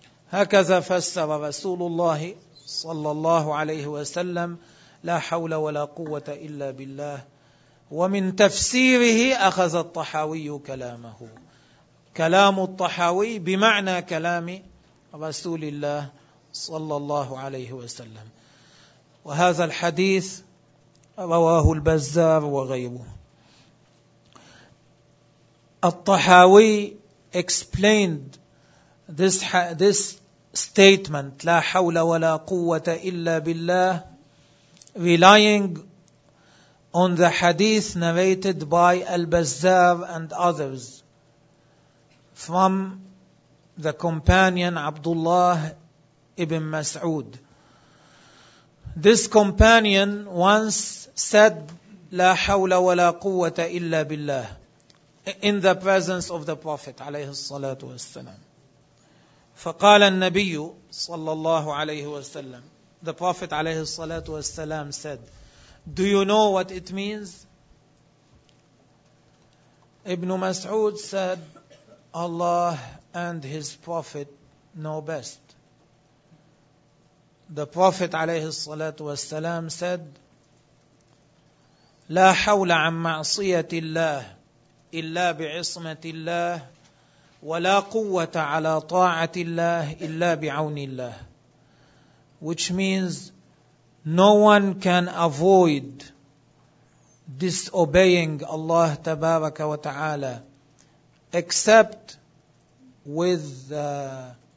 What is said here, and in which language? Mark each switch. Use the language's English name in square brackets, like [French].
[Arabic] هكذا فسر رسول الله صلى الله عليه وسلم لا حول ولا قوة إلا بالله، ومن تفسيره أخذ الطحاوي كلامه، كلام الطحاوي بمعنى كلام رسول الله صلى الله عليه وسلم. وهذا الحديث رواه البزار وغيره. [English] الطحاوي explained this statement [Arabic] لا حول ولا قوة إلا بالله [English] relying on the hadith narrated by al-Bazzar and others from the companion Abdullah ibn Mas'ud. This companion once said [Arabic] لا حول ولا قوة إلا بالله [English] in the presence of the Prophet عليه الصلاة والسلام. [Arabic] فقال النبي صلى الله عليه وسلم, [English] the Prophet عليه الصلاة والسلام said, do you know what it means? Ibn Mas'ud said, Allah and His Prophet know best. The Prophet [Arabic] عليه الصلاة والسلام [English] said, [Arabic] لا حول عن معصية الله إلا بعصمة الله ولا قوة على طاعة الله إلا بعون الله. [English] Which means, no one can avoid disobeying Allah تبارك وتعالى except with the